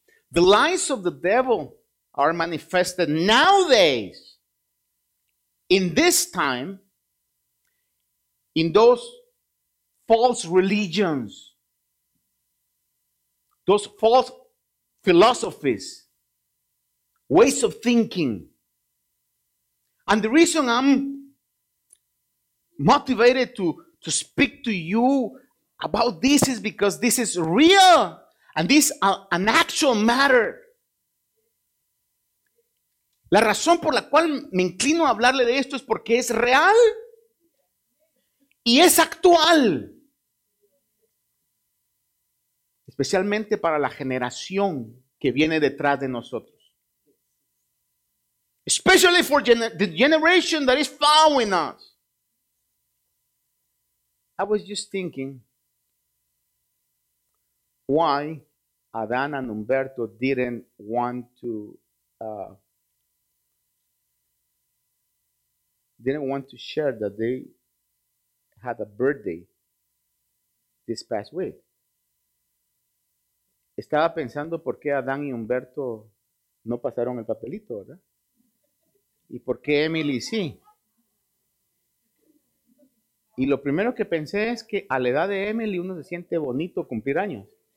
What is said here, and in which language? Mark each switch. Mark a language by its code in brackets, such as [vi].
[en] The lies of the devil are manifested nowadays, in this time, in those false religions, those false philosophies, ways of thinking. And the reason I'm motivated to speak to you about this is because this is real and this is an actual matter. [es] La razón por la cual me inclino a hablarle de esto es porque es real y es actual. Especialmente para la generación que viene detrás de nosotros. [en] Especially for the generation that is following us. I was just thinking, why Adán and Humberto didn't want to didn't want to share that they had a birthday this past week. [es] Estaba pensando por qué Adán y Humberto no pasaron el papelito, ¿verdad? Y por qué Emily sí. Y lo primero que pensé es que a la edad de Emily uno se siente bonito cumplir años.